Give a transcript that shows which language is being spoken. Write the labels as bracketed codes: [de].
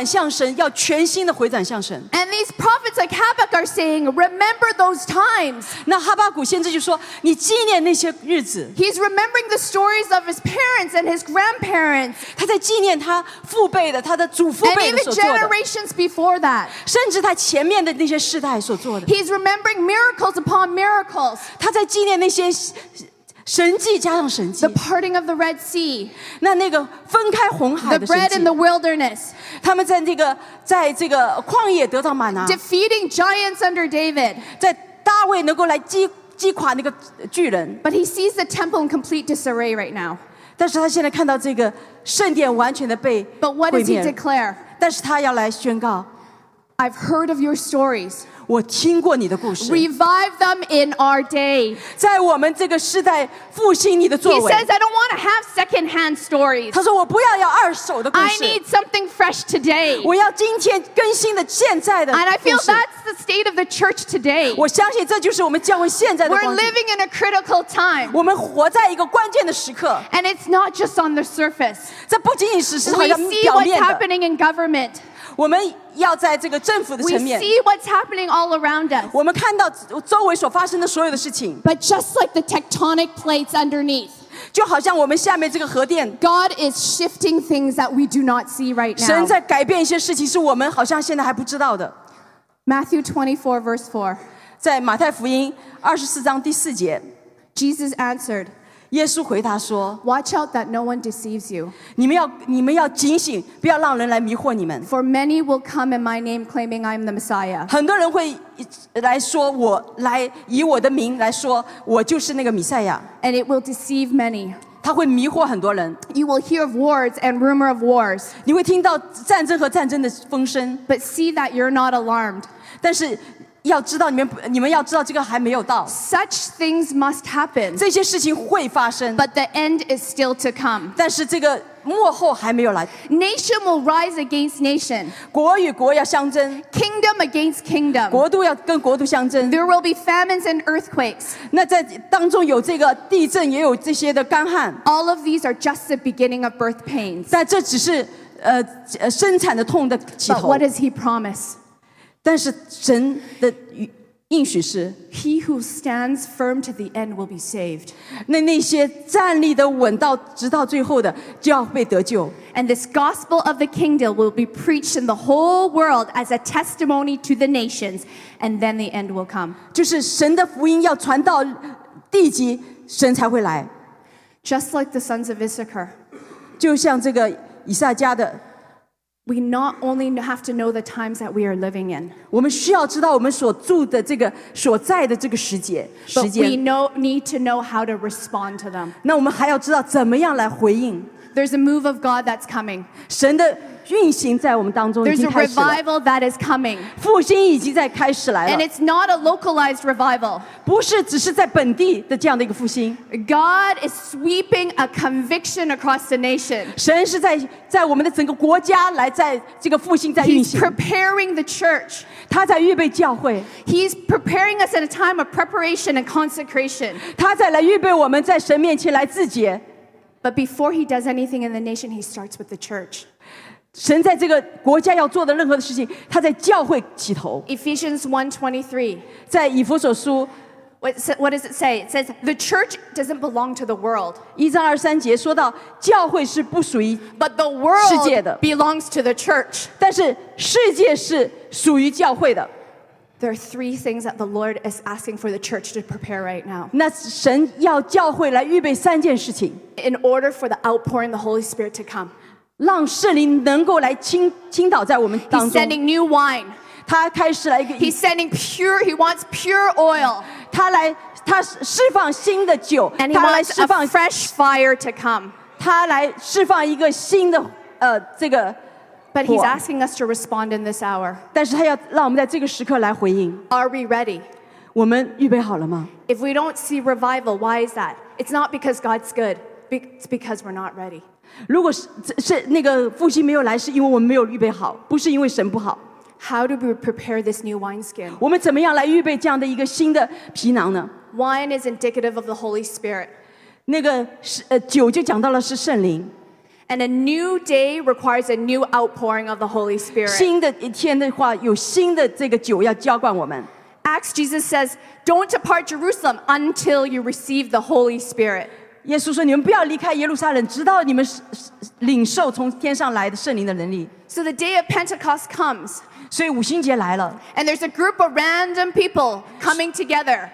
[zh] 他在宣告说，回到回转向神，要全心的回转向神。 [en] And these prophets like Habakkuk are saying, remember those times. [zh] 那哈巴谷先知就说，你纪念那些日子。 [en] He's remembering the stories of his parents and his grandparents. [zh] 他在纪念他父辈的，他的祖父辈的所做的。 [en] And even generations before that. [zh] 甚至他前面的那些世代所做的。 [en] He's remembering miracles upon miracles. [zh] 他在纪念那些。神迹加上神迹, [en] the parting of the Red Sea, [zh] 那个分开红海的神迹, [en] the bread in the wilderness, [zh] 他们在这个旷野得到玛拿, [en] defeating giants under David, [zh] 在大卫能够来击垮那个巨人, [en] but he sees the temple in complete disarray right now. [zh] 但是他现在看到这个圣殿完全的被, [en] but what does he declare? [zh] 但是他要来宣告, [en] I've heard of your stories. [zh] 我听过你的故事, [en] revive them in our day. [zh] 在我们这个世代复兴你的作为。 [en] He says, I don't want to have second-hand stories. [zh] 他说我不要要二手的故事。 [en] I need something fresh today. [zh] 我要今天更新的现在的故事。 [en] And I feel that's the state of the church today. [zh] 我相信这就是我们教会现在的光景。 [en] We're living in a critical time. [zh] 我们活在一个关键的时刻。 [en] And it's not just on the surface. [zh] 这不仅仅是好像表面的。 [en] We see what's happening in government. [zh] 我们要在这个政府的层面, [en] we see what's happening all around us. [zh] 我们看到周围所发生的所有的事情, [en] but just like the tectonic plates underneath, [zh] 就好像我们下面这个核电 [en] God is shifting things that we do not see right now. [zh] 神在改变一些事情是我们好像现在还不知道的 [en] Matthew 24 verse 4 [zh] 在马太福音24章第四节 [en] Jesus answered [zh] 耶稣回答说 [en] Watch out that no one deceives you. [zh] 你们要警醒不要让人来迷惑你们 [en] For many will come in my name claiming I am the Messiah. [zh] 很多人会来说我来以我的名来说我就是那个弥赛亚 [en] And it will deceive many. [zh] 他会迷惑很多人 [en] You will hear of wars and rumor of wars. [zh] 你会听到战争和战争的风声 [en] But see that you're not alarmed. [zh] 但是要知道你们要知道这个还没有到 [en] Such things must happen [zh] 这些事情会发生 [en] But the end is still to come [zh] 但是这个末后还没有来 [en] Nation will rise against nation [zh] 国与国要相争 [en] Kingdom against kingdom [zh] 国度要跟国度相争 [en] There will be famines and earthquakes [zh] 那在当中有这个地震也有这些的干旱 [en] All of these are just the beginning of birth pains [zh] 但这只是生产的痛的起头 [en] But what does he promise? [zh] 但是神的应许是 [en] He who stands firm to the end will be saved [zh] 那些站立的稳到直到最后的就要被得救 [en] And this gospel of the kingdom will be preached in the whole world as a testimony to the nations and then the end will come [zh] 就是神的福音要传到地极神才会来 [en] Just like the sons of Issachar [zh] 就像这个以撒家的 [en] We not only have to know the times that we are living in. [zh] 我们需要知道我们所住的这个所在的这个时节。 [en] But we need to know how to respond to them. [zh] 那我们还要知道怎么样来回应。 [en] There's a move of God that's coming. [zh] 神的运行在我们当中已经开始了。 [en] There's a revival that is coming. [zh] 复兴已经在开始来了。 [en] And it's not a localized revival. [zh] 不是只是在本地的这样的一个复兴。 [en] God is sweeping a conviction across the nation. [zh] 神是在我们的整个国家来在这个复兴在运行。 [en] He's preparing the church. [zh] 他在预备教会。 [en] He's preparing us in a time of preparation and consecration. [zh] 他在来预备我们在神面前来自洁。 [en] But before he does anything in the nation, he starts with the church. [zh] 神在这个国家要做的任何的事情，他在教会起头。 [en] Ephesians 1:23. [zh] 在以弗所书。 [en] What does it say? It says the church doesn't belong to the world. [zh] 一章二三节说到教会是不属于世界的。 [en] But the world belongs to the church. [zh] 但是世界是属于教会的。 [en] There are three things that the Lord is asking for the church to prepare right now. [zh] 那神要教会来预备三件事情。 [en] In order for the outpouring of the Holy Spirit to come. [zh] 让圣灵能够来倾倒在我们当中。 [en] He's sending new wine. [zh] 他开始来一个。 [en] He's sending pure, he wants pure oil. [zh] 他释放新的酒。 [en] And he wants a fresh fire to come. [zh] 他来释放一个新的这个。 [en] But he's asking us to respond in this hour. [zh] 但是他要让我们在这个时刻来回应。 [en] Are we ready? [zh] 我们预备好了吗？ [en] If we don't see revival, why is that? It's not because God's good. It's because we're not ready. [zh] 如果是那个复兴没有来，是因为我们没有预备好，不是因为神不好。 [en] How do we prepare this new wineskin? [zh] 我们怎么样来预备这样的一个新的皮囊呢？ [en] Wine is indicative of the Holy Spirit. [zh] 那个酒就讲到了是圣灵。 [en] And a new day requires a new outpouring of the Holy Spirit. [zh] 新的一天的话，有新的这个酒要浇灌我们。 [en] Acts Jesus says, "Don't depart Jerusalem until you receive the Holy Spirit." [zh] 耶稣说，你们不要离开耶路撒冷，直到你们领受从天上来的圣灵的能力。 [en] So the day of Pentecost comes. [zh] 所以五旬节来了。 [en] And there's a group of random people coming together.